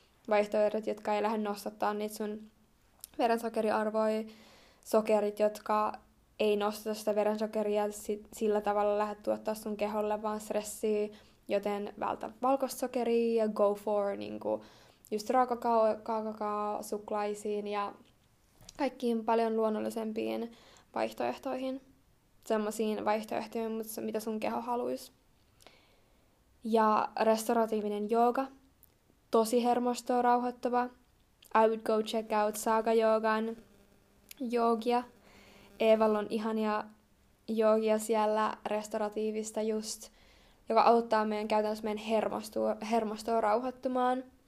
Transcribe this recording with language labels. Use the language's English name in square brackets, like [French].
[Finnish] Vaihtoehdot, jotka ei lähde nostattaa niitä sun verensokeriarvoja, sokerit, jotka ei nosteta sitä verensokeria sillä tavalla lähde tuottaa sun keholle vaan stressiä, joten vältä valkoista sokeria ja [English] go for [Finnish] niin kuin just raakakaakao suklaisiin ja kaikkiin paljon luonnollisempiin vaihtoehtoihin, semmoisiin vaihtoehtoihin, mitä sun keho haluaisi. Ja restoratiivinen jooga, tosi hermostoa rauhoittava. [English] I would go check out Saga Yogan joogia. [Finnish] Eevalla on ihania joogia siellä, restoratiivista just, joka auttaa meidän käytännössä meidän hermostoa rauhoittumaan.